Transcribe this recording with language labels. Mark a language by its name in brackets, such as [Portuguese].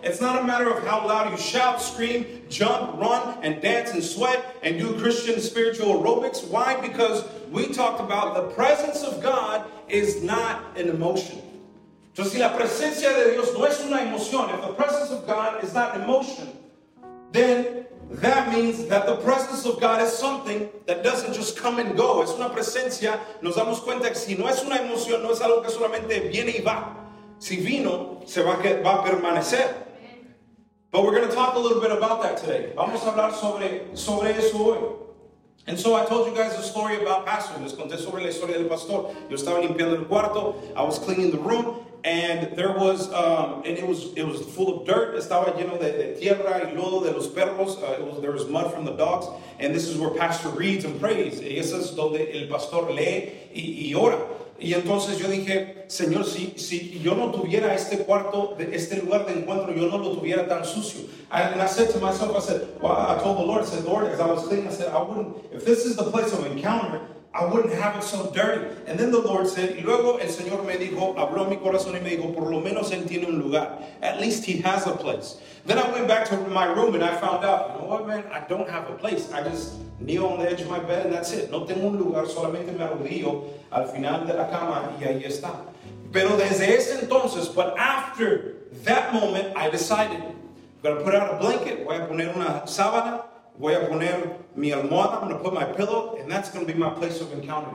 [English] It's not a matter of how loud you shout, scream, jump, run, and dance and sweat and do Christian spiritual aerobics. Why? Because we talked about the presence of God is not an emotion. So [Spanish] si la presencia de Dios no es una emoción, [English] if the presence of God is not an emotion, then that means that the presence of God is something that doesn't just come and go. [Spanish] Es una presencia. Nos damos cuenta que si no es una emoción, no es algo que solamente viene y va. Si vino, se va a permanecer. [English] But we're going to talk a little bit about that today. [Spanish] Vamos a hablar sobre eso hoy. [English] And so I told you guys a story about pastor. [Spanish] Les conté sobre la historia del pastor. Yo estaba limpiando el cuarto. [English] I was cleaning the room. And there was, and it was full of dirt. [Spanish] Estaba lleno de tierra y lodo de los perros. [English] There was mud from the dogs. And this is where pastor reads and prays. [Spanish] Y eso es donde el pastor lee y ora. Y entonces yo dije, Señor, si yo no tuviera este cuarto, este lugar de encuentro, yo no lo tuviera tan sucio. [English] And I said to myself, I said, well, I told the Lord, I said, Lord, as I was cleaning, I said, I wouldn't, if this is the place of encounter, I wouldn't have it so dirty. And then the Lord said, [Spanish] y luego el Señor me dijo, habló mi corazón y me dijo, por lo menos él tiene un lugar. [English] At least he has a place. Then I went back to my room and I found out, you know what, man, I don't have a place. I just kneel on the edge of my bed and that's it. [Spanish] No tengo un lugar, solamente me arrodillo al final de la cama y ahí está. Pero desde ese entonces, [English] but after that moment, I decided, I'm going to put out a blanket, [Spanish] voy a poner una sábana, voy a poner mi almohada, [English] I'm going to put my pillow, and that's going to be my place of encounter.